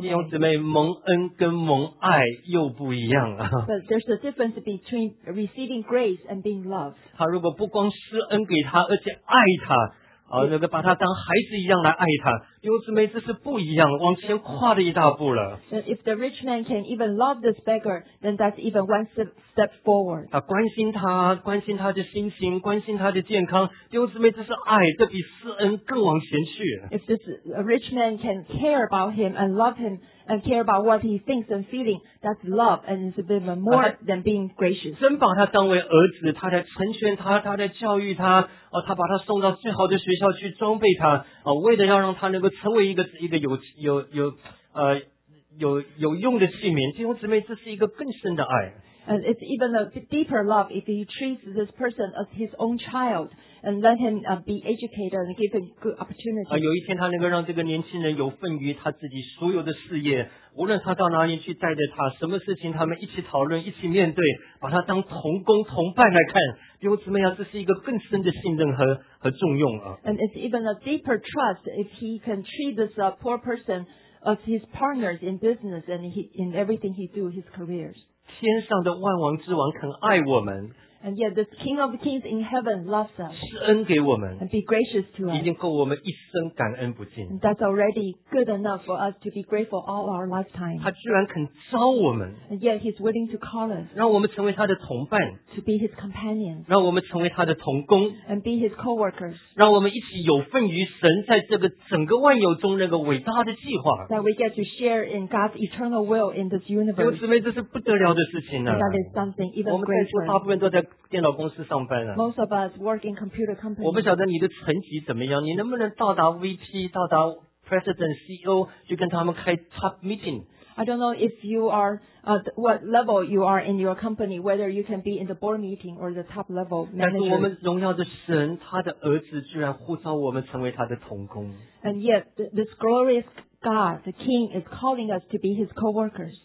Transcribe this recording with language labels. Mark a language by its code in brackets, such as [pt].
[zh] 弟兄姊妹，蒙恩跟蒙爱又不一样啊。 [en] But there's a difference between receiving grace and being loved. [zh] 他如果不光施恩给他，而且爱他，那个把他当孩子一样来爱他，弟兄姊妹，这是不一样，往前跨了一大步了。 [en] If the rich man can even love this beggar, then that's even one step forward. [zh] 他关心他，关心他的心情，关心他的健康。弟兄姊妹，这是爱，这比施恩更往前去。 [en] If this rich man can care about him and love him and care about what he thinks and feeling, that's love and it's a bit more than being gracious. [zh] 真把他当为儿子，他在成全他，他在教育他。哦、他把他送到最好的学校去装备他、哦、为了要让他能够成为一个有用的器皿。弟兄姊妹，这是一个更深的爱。 [en] And it's even a deeper love if he treats this person as his own child and let him be educated and give him good opportunity. [zh] 有一天他能够让这个年轻人有份于他自己所有的事业，无论他到哪里去带着他，什么事情他们一起讨论，一起面对，把他当同工同伴来看。弟兄姊妹啊，这是一个更深的信任和重用啊。 [en] And it's even a deeper trust if he can treat this poor person as his partners in business and in everything he do, his careers. [zh] 天上的万王之王肯爱我们 [en] ，and yet the King of Kings in heaven loves us， [zh] 施恩给我们 [en] ，and be gracious to us， [zh] 已经够我们一生感恩不尽。 [en] That's already good enough for us to be grateful all our lifetime。 [zh] 他居然肯招我们 [en] ，and yet he's willing to call us， [zh] 让我们成为他的同伴 [en] ，to be his companion， [zh] 让我们成为他的同工 [en] ，and be his co-workers， [zh] 让我们一起有份于神在这个整个万有中那个伟大的计划。 [en] That we get to share in God's eternal will in this universe。 [zh] 弟兄姊妹，这是不得了的。事情呢、啊？我们在座大部分都在电脑公司上班了、 [en] 啊。Most of us work in computer companies. [zh] 我不晓得你的成绩怎么样，你能不能到达 VP， 到达 President CEO， 去跟他们开 [en] top meeting。 I don't know if you are what level you are in your company, whether you can be in the board meeting or the top level manager. [zh] 但是我们荣耀的神，他的儿子居然呼召我们成为他的同工。 [en] And yet this glorious God, the King, is calling us to be His co-workers.